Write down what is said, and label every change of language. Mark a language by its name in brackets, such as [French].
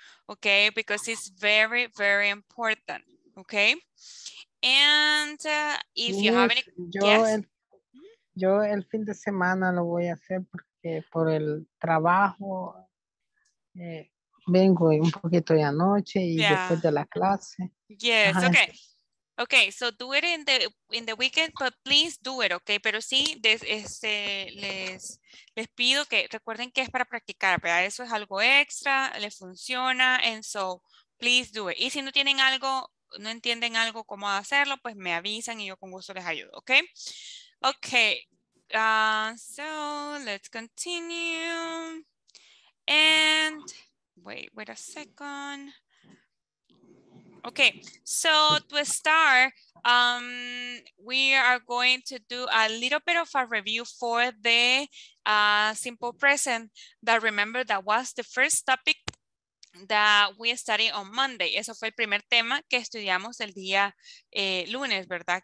[English] Ok, because it's very, very important. Ok, and if you have any, [Spanish] yo el fin de semana lo voy a hacer porque por el trabajo. Vengo un poquito de anoche y después de la clase. [English] Yes, okay. Okay, so do it in the weekend, but please do it, okay? [Spanish] Pero sí, les pido que recuerden que es para practicar, ¿verdad? Eso es algo extra, les funciona, [English] and so please do it. [Spanish] Y si no tienen algo, no entienden algo, cómo hacerlo, pues me avisan y yo con gusto les ayudo, okay? [English] Okay, so let's continue. And wait a second. Okay, so to start, we are going to do a little bit of a review for the simple present that remember that was the first topic that we studied on Monday. [Spanish] Eso fue el primer tema que estudiamos el día lunes, ¿verdad?